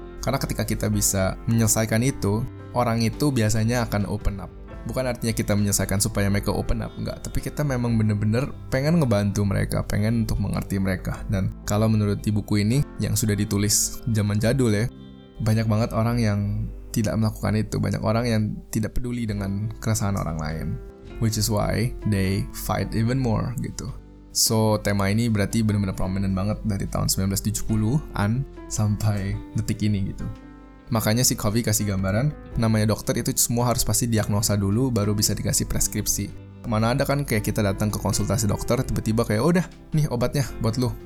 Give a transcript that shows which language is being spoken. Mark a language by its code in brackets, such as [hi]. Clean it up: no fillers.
[id] Karena ketika kita bisa menyelesaikan itu, orang itu biasanya akan [en] open up. [id] Bukan artinya kita menyelesaikan supaya mereka [en] open up, [id] enggak. Tapi kita memang benar-benar pengen ngebantu mereka, pengen untuk mengerti mereka. Dan kalau menurut di buku ini, yang sudah ditulis zaman jadul ya, banyak banget orang yang tidak melakukan itu. Banyak orang yang tidak peduli dengan keresahan orang lain. [en] Which is why they fight even more, gitu. [id] So, tema ini berarti benar-benar prominent banget dari tahun 1970-an sampai detik ini, gitu. Makanya si Covey kasih gambaran, namanya dokter itu semua harus pasti diagnosa dulu, baru bisa dikasih preskripsi. Mana ada kan kayak kita datang ke konsultasi dokter, tiba-tiba kayak, udah, nih obatnya buat lu.